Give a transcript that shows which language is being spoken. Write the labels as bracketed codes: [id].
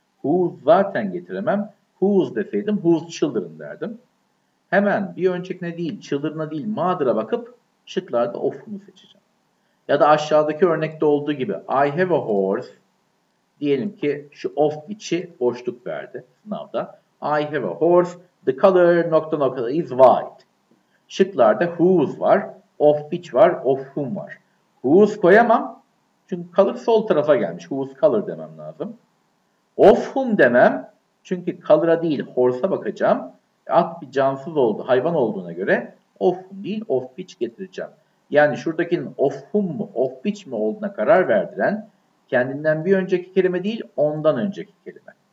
[tr] Whose zaten getiremem, whose deseydim whose children derdim. Hemen bir öncekine değil, children'a değil mother'a bakıp şıklarda of whom'u seçeceğim. Ya da aşağıdaki örnekte olduğu gibi [en] I have a horse [tr] diyelim ki şu of which'i boşluk verdi sınavda. [en] I have a horse, the color [tr] nokta nokta [en] is white. [tr] Şıklarda whose var, of which var, of whom var. Whose koyamam çünkü color sol tarafa gelmiş. Whose color demem lazım. Of whom demem çünkü color'a değil horse'a bakacağım. At bir cansız oldu, hayvan olduğuna göre of whom değil of which getireceğim. Yani şuradakinin of whom mu, of which mi olduğuna karar verdiren kendinden bir önceki kelime değil, ondan önceki kelime.